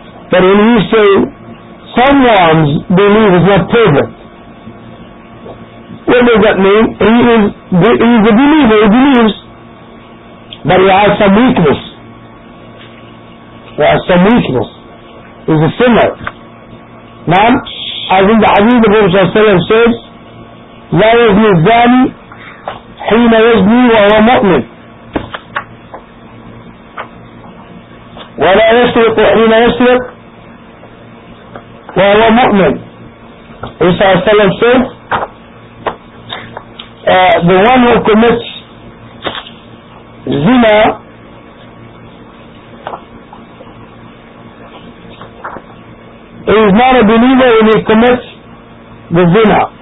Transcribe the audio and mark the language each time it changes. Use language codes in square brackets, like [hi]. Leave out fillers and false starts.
[en] But when you say someone's belief is not perfect, what does that mean? He is a believer, he believes, but he has some weakness, he is a sinner. Now, as in the hadith of Prophet Sallallahu Alaihi Wasallam says, [ar] لا يزني الزاني حين يزني وهو مؤمن ولا يسرق حين يسرق وهو مؤمن. [en] Prophet Sallallahu Alaihi Wasallam says, the one who commits zina is not a believer when he commits the zina.